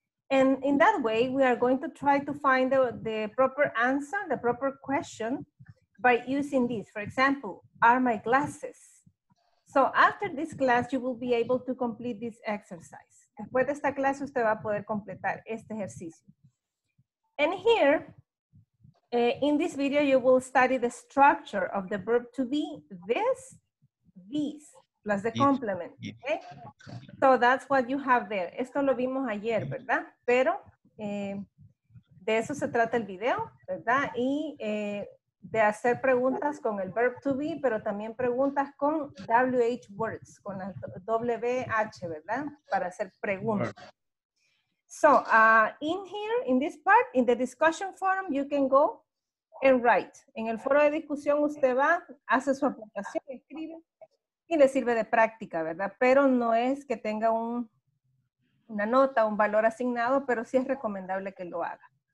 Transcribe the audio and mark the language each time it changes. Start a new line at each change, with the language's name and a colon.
English: And in that way, we are going to try to find the proper answer, the proper question, by using this. For example, are my glasses? So after this class, you will be able to complete this exercise.
Spanish: Después de esta clase, usted va a poder completar este ejercicio.
English: And here, in this video, you will study the structure of the verb to be, this, these. Plus the complement, okay? So that's what you have there.
Spanish: Esto lo vimos ayer, ¿verdad? Pero de eso se trata el video, ¿verdad? Y de hacer preguntas con el verb to be, pero también preguntas con WH words, con la WH, ¿verdad? Para hacer preguntas.
English: So, in here, in this part, in the discussion forum, you can go and write.
Spanish: En el foro de discusión usted va, hace su aportación, escribe. Y le sirve de práctica, ¿verdad? Pero no es que tenga una nota, un valor asignado, pero sí es recomendable que lo haga.